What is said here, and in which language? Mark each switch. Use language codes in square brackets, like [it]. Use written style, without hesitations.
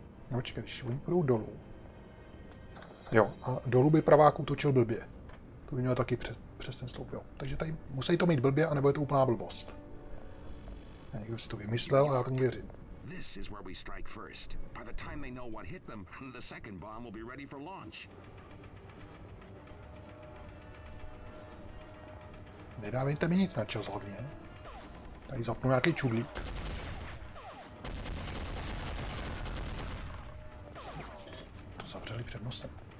[cs] No čekaj, když oni půjdou dolů. Jo, a dolů by pravák útočil blbě. To by měl taky přes ten sloup, jo. Takže tady musí to mít blbě, anebo je to úplná blbost. A někdo si to vymyslel a já tomu věřím. [en] This is where we strike first. By the time they know what hit them, the second bomb will be ready for launch. [cs] Nedávejte mi nic na čas hlavně. Tady zapnu nějaký čudlík. To zavřeli před nosem.